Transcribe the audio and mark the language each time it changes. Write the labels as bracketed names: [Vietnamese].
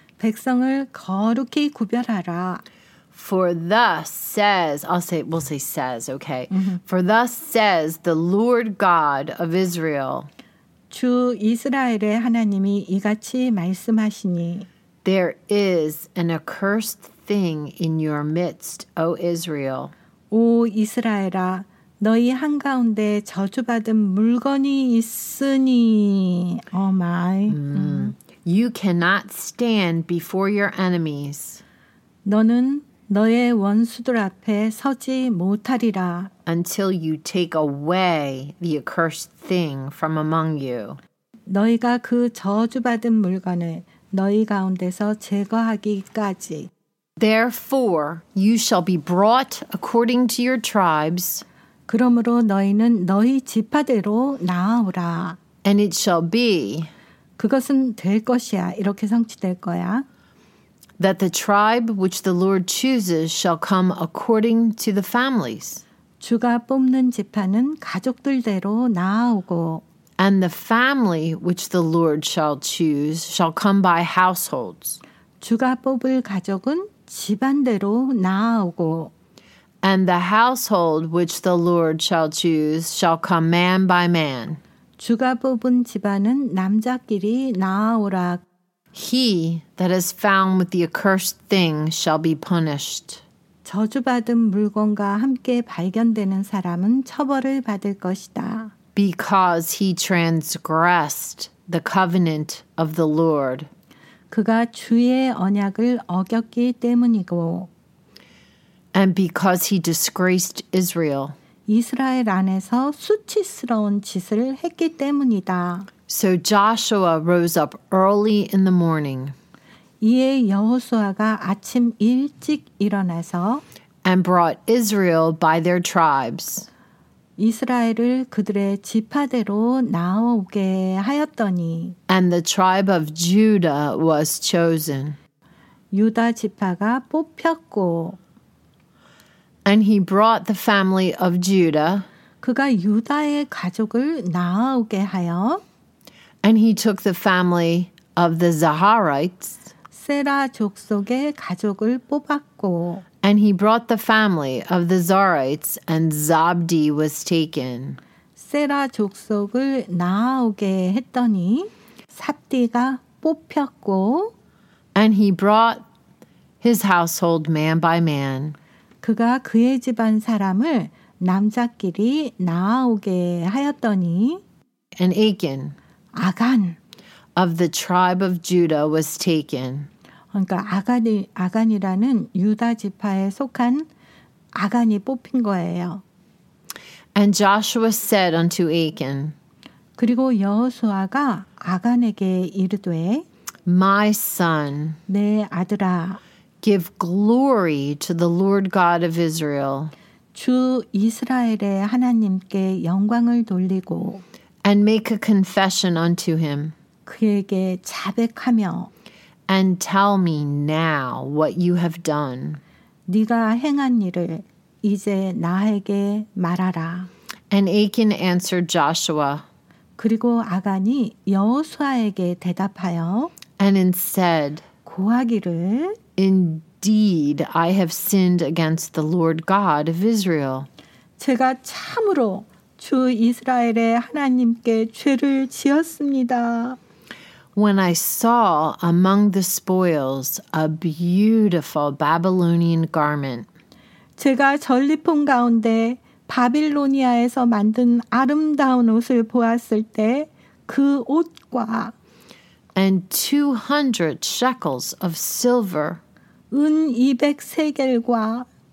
[Korean] 백성을 거룩히 구별하라. [English] For thus says, okay. Mm-hmm. For thus says the Lord God of Israel. [Korean] 주 이스라엘의 하나님이 이같이 말씀하시니. [English] There is an accursed thing in your midst, O Israel. [Korean] 오 이스라엘아, 너희 한가운데 저주받은 물건이 있으니. [English] Oh my. You cannot stand before your enemies. [Korean] 너는 너의 원수들 앞에 서지 못하리라. [English] Until you take away the accursed thing from among you. [Korean] 너희가 그 저주받은 물건을 너희 가운데서 제거하기까지. [English] Therefore, you shall be brought according to your tribes. [Korean] 그러므로 너희는 너희 지파대로 나아오라. [English] And it shall be. [Korean] 그것은 될 것이야. 이렇게 성취될 거야. [English] That the tribe which the Lord chooses shall come according to the families. [Korean] 주가 뽑는 지파는 가족들대로 나아오고. [English] and the family which the Lord shall choose shall come by households. [Korean] 주가 뽑을 가족은 집안대로 나아오고. [English] And the household which the Lord shall choose shall come man by man. [Korean] 주가 뽑은 집안은 남자끼리 나아오라. [English] He that is found with the accursed thing shall be punished. [Korean] 저주받은 물건과 함께 발견되는 사람은 처벌을 받을 것이다. [English] Because he transgressed the covenant of the Lord. [Korean] 그가 주의 언약을 어겼기 때문이고. [English] And because he disgraced Israel. [Korean] 이스라엘 안에서 수치스러운 짓을 했기 때문이다. [English] So Joshua rose up early in the morning. [Korean] 이에 여호수아가 아침 일찍 일어나서 [English] and brought Israel by their tribes. [Korean] 이스라엘을 그들의 지파대로 나오게 하였더니 [English] and the tribe of Judah was chosen. [Korean] 유다 지파가 뽑혔고 [English] and he brought the family of Judah [Korean] 그가 유다의 가족을 나오게 하여 [English] and he took the family of the Zaharites [Korean] 세라 족속의 가족을 뽑았고 [English] and he brought the family of the Zarites and Zabdi was taken. [Korean] 세라 족속을 나오게 했더니 삽디가 뽑혔고 [English] and he brought his household man by man. [Korean] 그가 그의 집안 사람을 남자끼리 나오게 하였더니 [English] and Achan [Korean] 아간 [English] of the tribe of Judah was taken. [Korean] 그러니까 아간이라는 유다 지파에 속한 아간이 뽑힌 거예요. [English] And Joshua said unto Achan, [Korean] 그리고 여호수아가 아간에게 이르되, [English] My son, [Korean] 내 아들아, [English] give glory to the Lord God of Israel, [Korean] 주 이스라엘의 하나님께 영광을 돌리고, [English] and make a confession unto him, [Korean] 그에게 자백하며, [English] And tell me now what you have done. [Korean] 네가 행한 일을 이제 나에게 말하라. [English] And Achan answered Joshua. [Korean] 그리고 아간이 여호수아에게 대답하여. [English] And instead. [Korean] 고하기를. [English] Indeed, I have sinned against the Lord God of Israel. [Korean] 제가 참으로 주 이스라엘의 하나님께 죄를 지었습니다. [English] When I saw among the spoils a beautiful Babylonian garment, [Korean] 제가 전리품 가운데 바빌로니아에서 만든 아름다운 옷을 보았을 때 그 옷과 [English] and 200 shekels of silver, [Korean] 은 200세겔과